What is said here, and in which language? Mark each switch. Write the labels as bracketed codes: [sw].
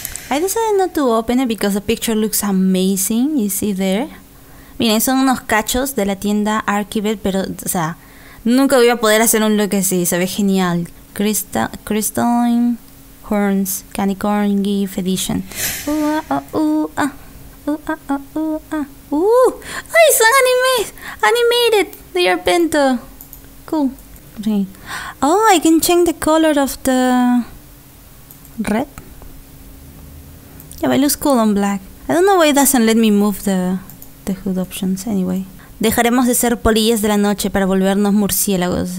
[en] I decided not to open it because the picture looks amazing. You see there? [es] Miren, son unos cachos de la tienda Archivet, pero, o sea, nunca voy a poder hacer un look así. Se ve genial. Crystalline Horns Canicorn Gift Edition. ¡Ay, son animes! [en] Animated! They are pento. Cool. Oh, I can change the color of the red. Yeah, but it looks cool on black. I don't know why it doesn't let me move the hood options anyway. [es] Dejaremos de ser polillas de la noche para volvernos murciélagos.